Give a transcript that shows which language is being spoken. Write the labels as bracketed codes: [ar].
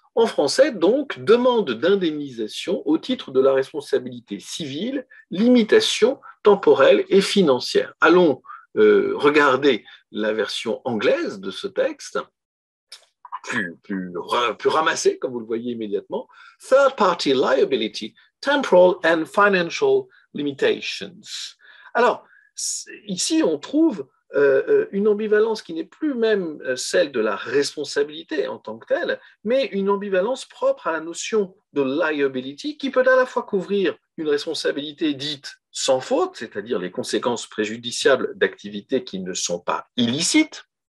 [fr] En français, donc, demande d'indemnisation au titre de la responsabilité civile, limitation temporelle et financière. Allons regarder la version anglaise de ce texte, plus ramassée, comme vous le voyez immédiatement. [en] Third party liability, temporal and financial limitations. [fr] Alors, ici, on trouve une ambivalence qui n'est plus même celle de la responsabilité en tant que telle, mais une ambivalence propre à la notion de liability qui peut à la fois couvrir une responsabilité dite sans faute, c'est-à-dire les conséquences préjudiciables d'activités qui ne sont pas illicites,